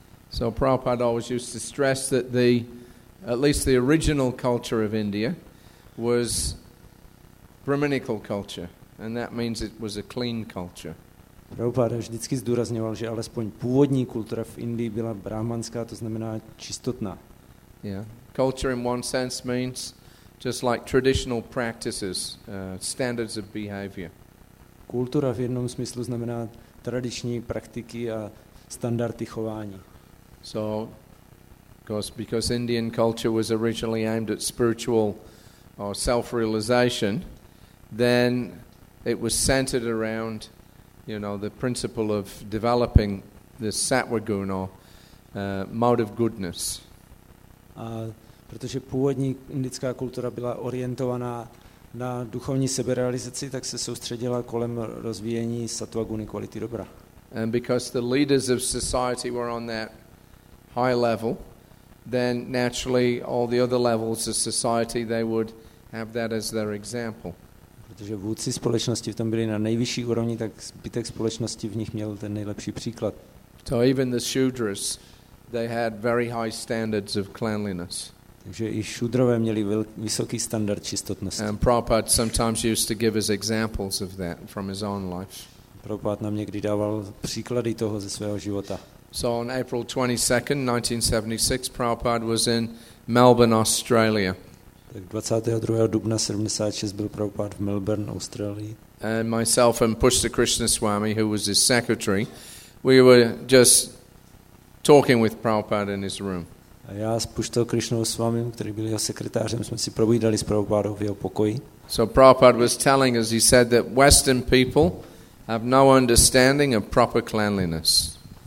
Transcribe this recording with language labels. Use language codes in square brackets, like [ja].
[en] So Prabhupada always used to stress that at least the original culture of India was Brahminical culture, and that means it was a clean culture. [cs] Prabhupada vždycky zdůrazňoval, že alespoň původní kultura v Indii byla brahmanská, to znamená čistotná. [en] Yeah, culture in one sense means just like traditional practices, standards of behavior. [cs] Kultura v jednom smyslu znamená tradiční praktiky a standardy chování. [en] So, because Indian culture was originally aimed at spiritual or self-realization, then it was centered around, you know, the principle of developing the sattva guna, mode of goodness. [cs] A protože původní indická kultura byla orientovaná na duchovní seberealizaci, tak se soustředila kolem rozvíjení sattva guny, kvality dobra. [en] And because the leaders of society were on that high level, then naturally all the other levels of society, they would have that as their example. [cs] Protože vůdci společnosti v tom byli na nejvyšší úrovni, tak zbytek společnosti v nich měl ten nejlepší příklad. [en] So even the Shudras, they had very high standards of cleanliness. [cs] Takže i šudrové měli vysoký standard čistotnosti. [en] And Prabhupada sometimes used to give us examples of that from his own life. [cs] Prabhupada nám někdy dával příklady toho ze svého života. [en] So on April 22nd, 1976, Prabhupada was in Melbourne, Australia. [cs] Tak 22. dubna 76 byl Prabhupada v Melbourne, Austrálii. [en] And myself and Pushta Krishna Swami, who was his secretary, we were just talking with Prabhupada in his room. [cs] A já s Pushta Krishna Swami, který byl jeho sekretářem, jsme si probídali s Prabhupadou v jeho pokoji. [en] So Prabhupada was telling us, he said that Western people have no understanding of proper cleanliness.